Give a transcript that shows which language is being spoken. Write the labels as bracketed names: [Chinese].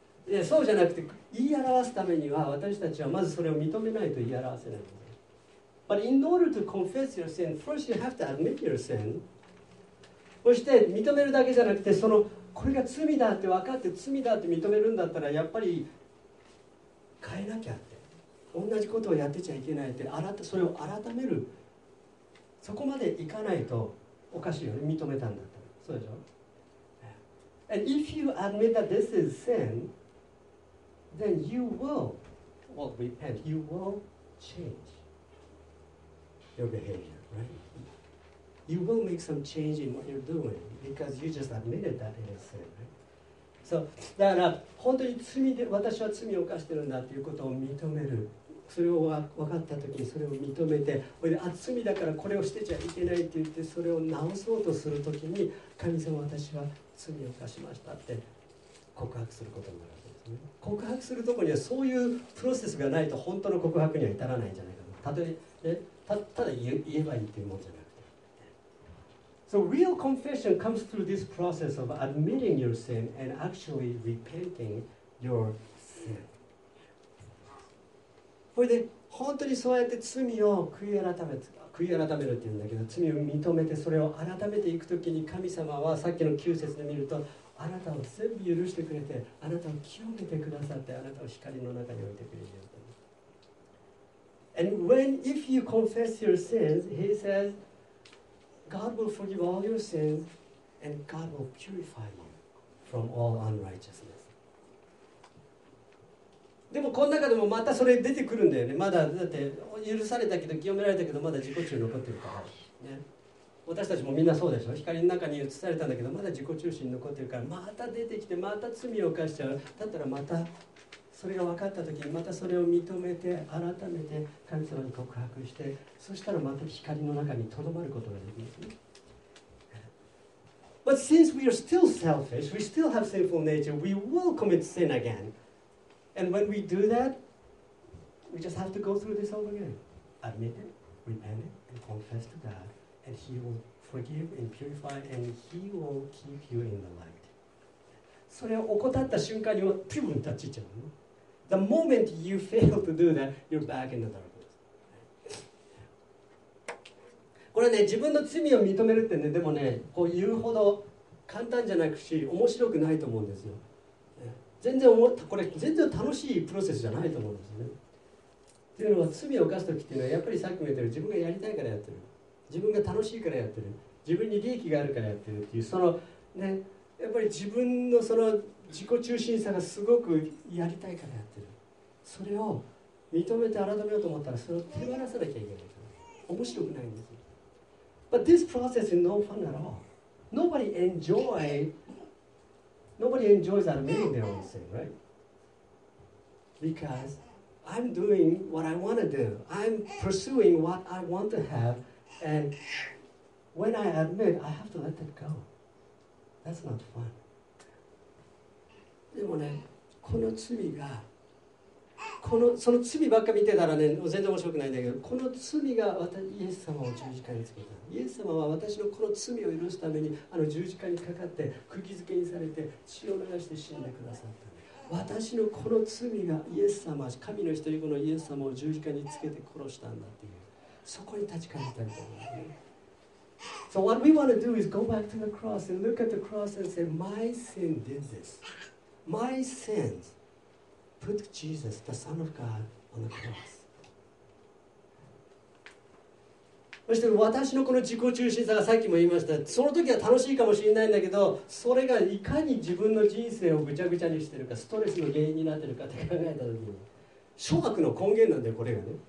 [Japanese] いや、そうじゃなくて、言い表すためには私たちはまずそれを認めないと言い表せない。 [English] But in order to confess your sin, first you have to admit your sin. [Japanese] そして認めるだけじゃなくて、そのこれが罪だって分かって、罪だって認めるんだったら、やっぱり変えなきゃって、同じことをやってちゃいけないって、それを改める、そこまでいかないとおかしいよね。認めたんだったら、そうでしょ。 [English] And if you admit that this is sin, then you will, well, repent, you will change your behavior, right? You will make some change in what you're doing. Because you just admitted that it is sin, right? [Japanese] So, だから本当に罪で、私は罪を犯してるんだということを認める。それを分かったときに、それを認めて、おいで、あ、罪だからこれをしてちゃいけないって言って、それを直そうとするときに、神様、私は罪を犯しましたって告白することになるわけですね。告白するところにはそういうプロセスがないと、本当の告白には至らないんじゃないかな。ただ言えばいいっていうもんじゃない。 [English] So real confession comes through this process of admitting your sin and actually repenting your sin. [Japanese] それで本当にそうやって罪を悔い改めるって言うんだけど、罪を認めてそれを改めていくときに、神様はさっきの9節で見ると、あなたを全部許してくれて、あなたを清めてくださって、あなたを光の中に置いてくれるよ。 [English] And when if you confess your sins, he saysGod will forgive all your sins and God will purify you from all unrighteousness. [Japanese] でもこの中でもまたそれ出てくるんだよね。まだだって許されたけど、清められたけど、まだ自己中残ってるから、ね、私たちもみんなそうでしょ。光の中に移されたんだけど、まだ自己中心残ってるから、また出てきて、また罪を犯しちゃう。だったらまたそれが分かったときに、またそれを認めて、改めて神様に告白して、そしたらまた光の中にとどまることができますね。 [English] But since we are still selfish, we still have sinful nature, we will commit sin again. And when we do that, we just have to go through this all again. Admit it, repent it, and confess to God, and He will forgive and purify, and He will keep you in the light. [Japanese] それを怠った瞬間には、ピューンと立ちちゃうの。 [English] The moment you fail to do that, you're back in the darkness. [Japanese] これね、自分の罪を認めるってね、でもね、こう言うほど簡単じゃなくし、面白くないと思うんですよ。全然これ全然楽しいプロセスじゃないと思うんですね。っていうのは、罪を犯すときっていうのは、やっぱりさっきも言ったように、自分がやりたいからやってる、自分が楽しいからやってる、自分に利益があるからやってるっていう、そのね、やっぱり自分のその自己中心さがすごくやりたいからやってる。それを認めて改めようと思ったら、それを手放さなきゃいけないから、面白くないんですよ。 [English] But this process is no fun at all. Nobody enjoys admitting their own sin, right? Because I'm doing what I want to do. I'm pursuing what I want to have. And when I admit, I have to let that go. That's not fun. [Japanese] でもね、この罪が、その罪ばっか見てたらね、全然面白くないんだけど、この罪が私、イエス様を十字架につけた。イエス様は私のこの罪を許すために、あの十字架にかかって、釘付けにされて、血を流して死んでくださった。私のこの罪がイエス様、神の一人子のイエス様を十字架につけて殺したんだっていう、そこに立ち返ったみたいな、ね。 [English] So what we want to do is go back to the cross and look at the cross and say, my sin did this. My sins put Jesus, the Son of God, on the cross. [Japanese] そして私のこの自己中心さがさっきも言いました。その時は楽しいかもしれないんだけど、それがいかに自分の人生をぐちゃぐちゃにしてるか、ストレスの原因になってるかって考えた時に、諸悪の根源なんだよ、これがね。